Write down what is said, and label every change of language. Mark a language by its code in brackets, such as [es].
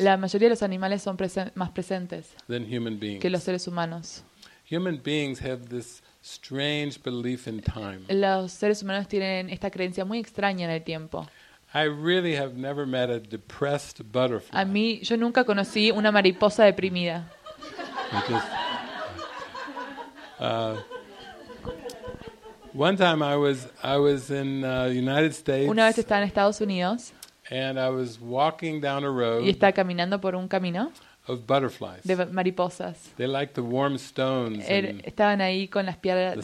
[es] La mayoría de los animales son más presentes [en] than human beings. [es] Que los seres humanos. [en] Human beings have this strange belief in time. [es] Los seres humanos tienen esta creencia muy extraña en el tiempo. [en] I really have never met a depressed butterfly. [es] A mí, yo nunca conocí una mariposa deprimida. [en] One time I was in the United States. [es] Una vez estaba en Estados Unidos. [en] And I was walking down a road. [es] Y estaba caminando por un camino. [en] Of butterflies. [es] De mariposas. [en] They like the warm stones. [es] Estaban ahí con las piedras.